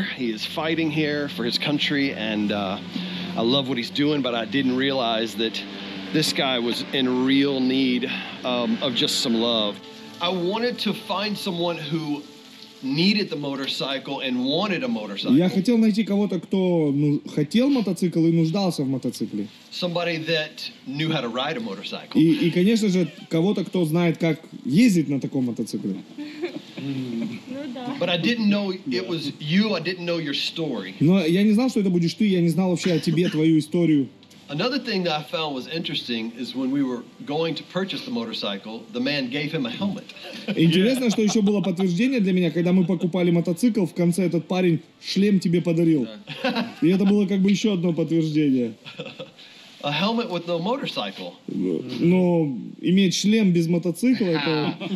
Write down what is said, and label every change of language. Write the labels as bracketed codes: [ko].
[en] He is fighting here for his country, and I love what he's doing, but I didn't realize that this guy was in real need of just some love. I wanted to find someone who needed the motorcycle and wanted a motorcycle. [ru] Я хотел найти кого-то, кто хотел мотоцикл и нуждался в мотоцикле. [en] Somebody that knew how to ride a motorcycle. [ru] И конечно же, кого-то, кто знает, как ездить на таком мотоцикле. [en] But I didn't know it was you. I didn't know your story. [ru] Но я не знал, что это будешь ты. Я не знал вообще о тебе, твою историю. [en] Another thing that I found was interesting is when we were going to purchase the motorcycle, the man gave him a helmet. [ru] Интересно, что еще было подтверждение для меня, когда мы покупали мотоцикл, в конце этот парень шлем тебе подарил. И это было как бы еще одно подтверждение. [en] A helmet with no motorcycle. [ru] Но иметь шлем без мотоцикла это.